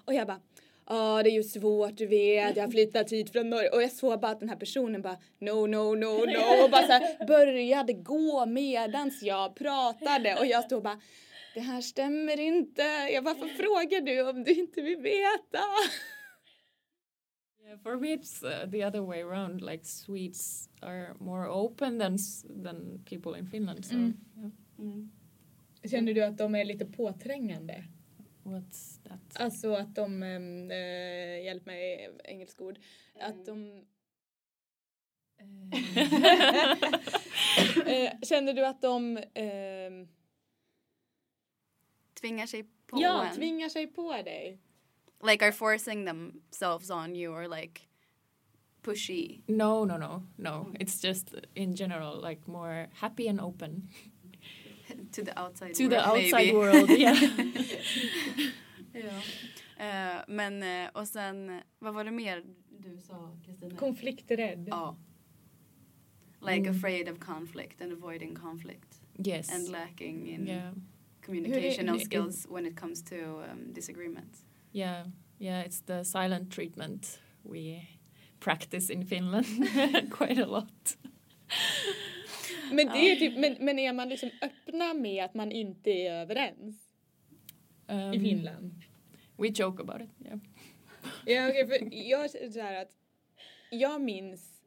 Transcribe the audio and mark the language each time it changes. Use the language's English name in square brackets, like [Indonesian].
[Swedish] Och jag bara, det är ju svårt, du vet, jag har flyttat hit från Norge. Och jag såg bara att den här personen bara, [English] no. [Swedish] Och bara så här, började gå medans jag pratade. Och jag stod bara, det här stämmer inte. Jag, varför frågar du om du inte vill veta? [English] Yeah, for me it's the other way around. Like Swedes are more open than people in Finland. So. Mm. Yeah. Mm. [Swedish] Känner du att de är lite påträngande? [English] What's that? [Swedish] Alltså att de, hjälp mig, engelsk ord. Mm. Att de... känner du att de... tvingar sig på dig. Ja, tvingar sig på dig. [English] Like are forcing themselves on you or like pushy. No. It's just in general like more happy and open. To the outside world. To the outside world, yeah. [Swedish] Ja. Men, och sen, vad var det mer du sa, Kristina? Konflikträdd. Ja. [English] Like afraid of conflict and avoiding conflict. Yes. And lacking in... Yeah. Communicational skills when it comes to disagreements. Yeah, yeah, it's the silent treatment we practice in Finland quite a lot. [Swedish] Men det är typ, men är man liksom öppna med att man inte är överens i Finland? [English] We joke about it, yeah. [Swedish] Ja, okej, för jag är så här att jag minns